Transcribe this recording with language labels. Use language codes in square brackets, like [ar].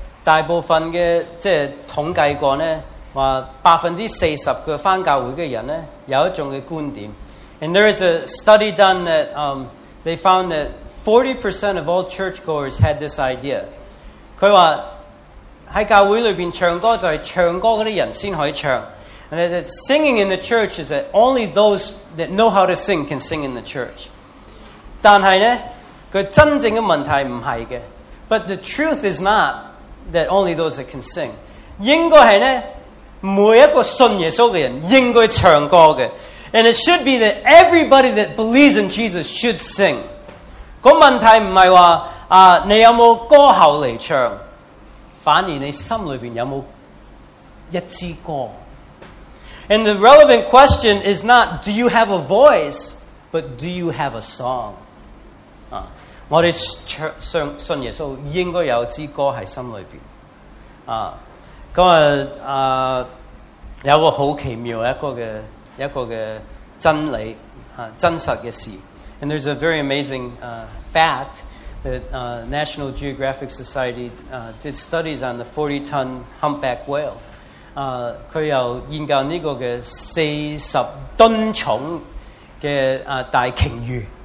[yue] 大部分的即係統計過咧，話40%的翻教會的人咧有一種嘅觀點。 [en] And there is a study done that they found that 40% of all churchgoers had this idea. [yue] 佢話喺教會裏邊唱歌就係唱歌嗰啲人先可以唱。 [en] And that singing in the church is that only those that know how to sing can sing in the church. [yue] 但係咧，佢真正嘅問題唔係嘅。 [en] But the truth is not that only those that can sing. [yue] 應該係咧，每一個信耶穌嘅人應該唱歌嘅。 [en] And it should be that everybody that believes in Jesus should sing. [yue] 個問題唔係話啊，你有冇歌喉嚟唱，反而你心裏邊有冇一支歌。 [en] And the relevant question is not do you have a voice, but do you have a song? [yue] 我哋信耶穌應該有支歌喺心裏邊。有個好奇妙一個嘅真理真實嘅事。 [en] And there's a very amazing fact that National Geographic Society did studies on the 40-ton humpback whale. [yue] 佢又研究呢個嘅40吨重嘅大鯨魚。